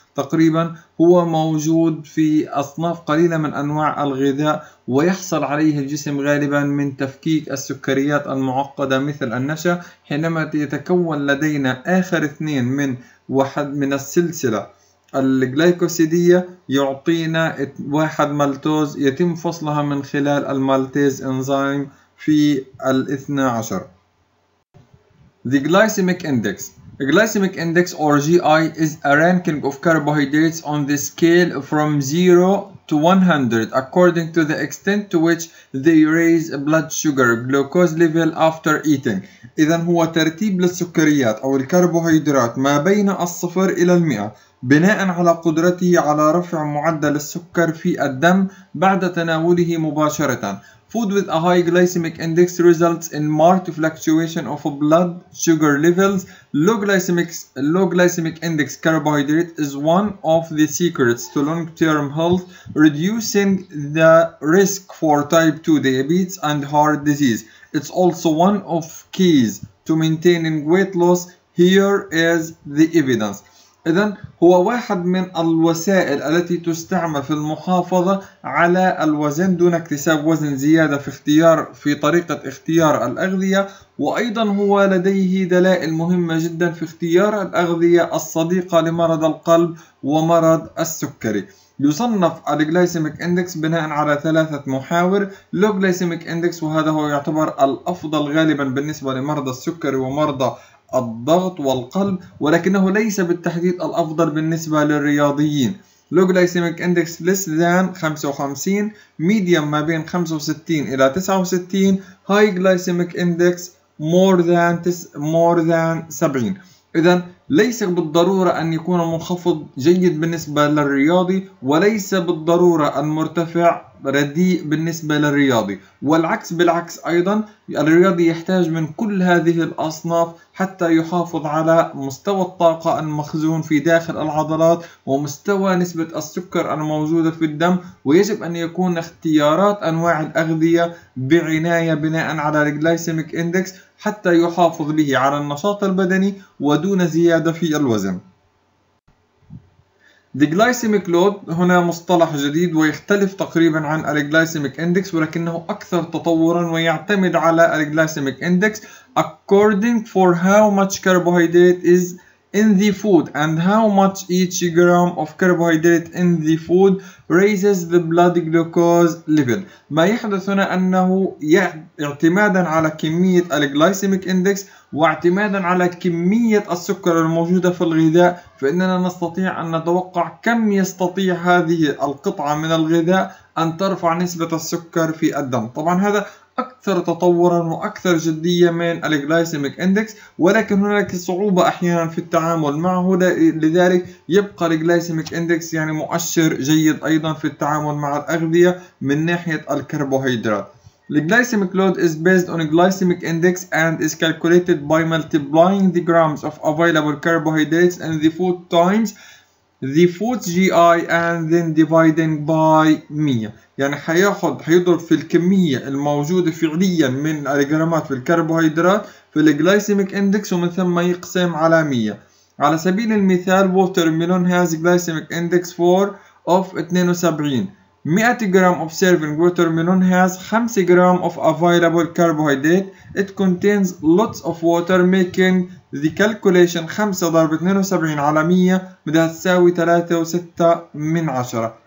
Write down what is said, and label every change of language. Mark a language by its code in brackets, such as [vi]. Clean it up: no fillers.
[ar] تقريبا هو موجود في أصناف قليلة من أنواع الغذاء، ويحصل عليه الجسم غالبا من تفكيك السكريات المعقدة مثل النشا، حينما يتكون لدينا آخر اثنين من واحد من السلسلة الجلايكوسيدية يعطينا واحد مالتوز، يتم فصلها من خلال المالتيز انزيم في الاثنى عشر. [en] The glycemic index. Glycemic index or GI is a ranking of carbohydrates on the scale from 0 to 100 according to the extent to which they raise blood sugar glucose level after eating. [ar] إذا هو ترتيب للسكريات أو الكربوهيدرات ما بين الصفر إلى المئة بناء على قدرته على رفع معدل السكر في الدم بعد تناوله مباشرة. [en] Food with a high glycemic index results in marked fluctuation of blood sugar levels. Low glycemic index carbohydrate is one of the secrets to long-term health, reducing the risk for type 2 diabetes and heart disease. It's also one of keys to maintaining weight loss. Here is the evidence. [ar] إذن هو واحد من الوسائل التي تستعمل في المحافظة على الوزن دون اكتساب وزن زيادة في طريقة اختيار الأغذية، وأيضا هو لديه دلائل مهمة جدا في اختيار الأغذية الصديقة لمرض القلب ومرض السكري. يصنف الجلايسيميك اندكس بناء على ثلاثة محاور: لو جلايسيميك اندكس، وهذا هو يعتبر الأفضل غالبا بالنسبة لمرض السكري ومرض الضغط والقلب، ولكنه ليس بالتحديد الأفضل بالنسبة للرياضيين. [en] Low glycemic index less than 55، medium [ar] ما بين 65 إلى 69، [en] high glycemic index more than 70. [ar] إذن ليس بالضرورة أن يكون منخفض جيد بالنسبة للرياضي، وليس بالضرورة المرتفع رديء بالنسبة للرياضي، والعكس بالعكس أيضا. الرياضي يحتاج من كل هذه الأصناف حتى يحافظ على مستوى الطاقة المخزون في داخل العضلات ومستوى نسبة السكر الموجودة في الدم، ويجب أن يكون اختيارات أنواع الأغذية بعناية بناء على الجلايسيميك إندكس حتى يحافظ به على النشاط البدني ودون زيادة في الوزن. [en] The glycemic load [ar] هنا مصطلح جديد ويختلف تقريبا عن الجلايسيميك إندكس، ولكنه أكثر تطورا ويعتمد على الجلايسيميك إندكس. [en] According for how much carbohydrate is in the food and how much each gram of carbohydrate in the food raises the blood glucose level. [ar] ما يحدث هنا أنه اعتمادا على كمية الجلايسيميك إندكس واعتمادا على كمية السكر الموجودة في الغذاء، فإننا نستطيع أن نتوقع كم يستطيع هذه القطعة من الغذاء أن ترفع نسبة السكر في الدم. طبعا هذا أكثر تطورا وأكثر جدية من الجلايسيميك إندكس، ولكن هناك صعوبة أحيانا في التعامل معه، لذلك يبقى الجلايسيميك إندكس يعني مؤشر جيد أيضا في التعامل مع الأغذية من ناحية الكربوهيدرات. [en] The glycemic load is based on a glycemic index and is calculated by multiplying the grams of available carbohydrates in the food times the food's GI and then dividing by 100. [ar] يعني حيضرب في الكمية الموجودة فعليا من الجرامات في الكربوهيدرات في الجلايسيميك إندكس، ومن ثم يقسم على 100. على سبيل المثال، [en] water melon has glycemic index 4 of 72. 100 gram of serving watermelon has 5 gram of available carbohydrate. It contains lots of water, making the calculation 5 [ar] ضرب 72 على 100 بدها تساوي 3.6.